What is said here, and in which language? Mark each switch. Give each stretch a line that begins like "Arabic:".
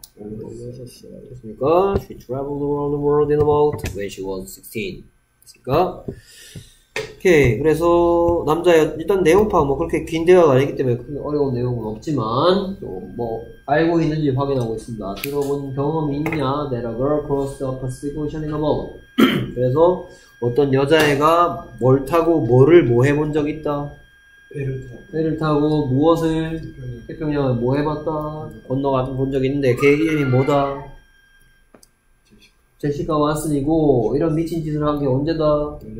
Korean: 그러니까
English: she traveled around the world in a boat when she was 16.
Korean: 그러니까 오케이. 그래서 남자의 일단 내용 파악 뭐 그렇게 긴 대화가 아니기 때문에 큰 어려운 내용은 없지만 또 뭐 알고 있는지 확인하고 있습니다. 들어본 경험이 있냐?
English: That a girl crossed the Pacific Ocean in a boat.
Korean: 그래서 어떤 여자애가 뭘 타고 뭐를 뭐 해본 적 있다. 배를 타고 무엇을 태평양을 뭐 해봤다 건너가본 본적 있는데 걔 이름이 뭐다? 제시카 왓슨이고 이런 미친 짓을 한게 언제다?